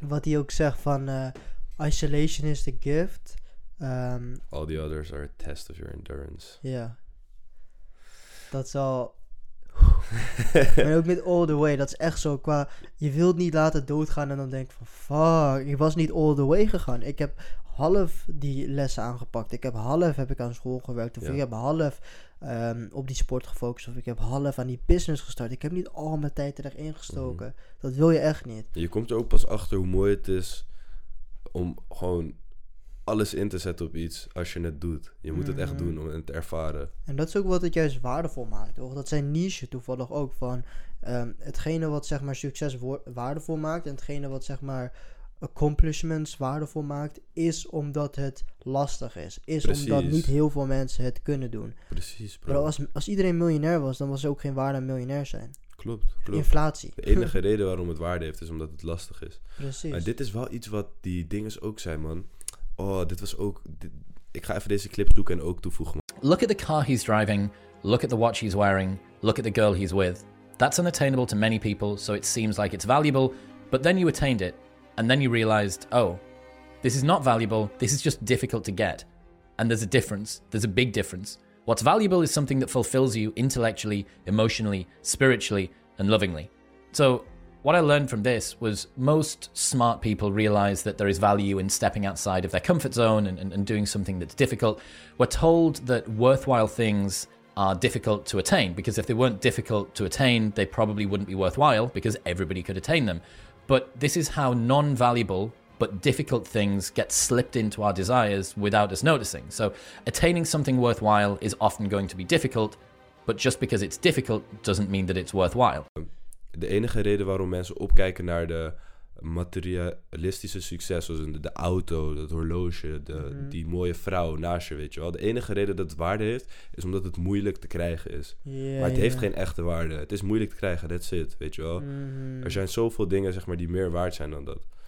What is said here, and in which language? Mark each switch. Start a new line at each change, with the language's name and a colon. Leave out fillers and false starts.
Dutch: Wat hij ook zegt van,
English: isolation is the gift. All the others are a test of your endurance.
Dutch: Ja. Dat zal. Maar ook met
English: all the way,
Dutch: dat is echt zo qua, je wilt niet laten doodgaan en dan denk van fuck, ik was niet all the way gegaan. Ik heb half die lessen aangepakt, ik heb half heb ik aan school gewerkt, of ik heb half op die sport gefocust, of ik heb half aan die business gestart. Ik heb niet al mijn tijd erin gestoken. Dat wil je echt niet. Je komt er ook pas achter hoe mooi het is om gewoon alles in te zetten op iets als je het doet. Je moet het echt doen om het te ervaren. En dat is ook wat het juist waardevol maakt, toch? Dat zijn niche toevallig ook van hetgene wat zeg maar succes waardevol maakt en hetgene wat zeg maar accomplishments waardevol maakt, is omdat het lastig is. Is precies. Omdat niet heel veel mensen het kunnen doen. Precies, bro. Maar als iedereen miljonair was, dan was er ook geen waarde aan miljonair zijn. Klopt. Inflatie. De enige reden waarom het waarde heeft, is omdat het lastig is. Precies. Maar dit is wel iets wat die dinges ook zijn, man. Oh, dit was ook. Ik ga even deze clip zoeken en ook toevoegen.
English: Look at the car he's driving. Look at the watch he's wearing. Look at the girl he's with. That's unattainable to many people, so it seems like it's valuable. But then you attained it. And then you realized, oh, this is not valuable. This is just difficult to get. And there's a difference. There's a big difference. What's valuable is something that fulfills you intellectually, emotionally, spiritually, and lovingly. So what I learned from this was most smart people realize that there is value in stepping outside of their comfort zone and doing something that's difficult. We're told that worthwhile things are difficult to attain, because if they weren't difficult to attain, they probably wouldn't be worthwhile because everybody could attain them. But this is how non-valuable but difficult things get slipped into our desires without us noticing. So attaining something worthwhile is often going to be difficult, but just because it's difficult doesn't mean that it's worthwhile.
Dutch: De enige reden waarom mensen opkijken naar de materialistische succes, zoals de auto, het horloge, die mooie vrouw naast je, weet je wel. De enige reden dat het waarde heeft, is omdat het moeilijk te krijgen is. Yeah, maar het heeft geen echte waarde. Het is moeilijk te krijgen,
English: that's it,
Dutch: weet je wel. Mm-hmm. Er zijn zoveel dingen, zeg maar, die meer waard zijn dan dat.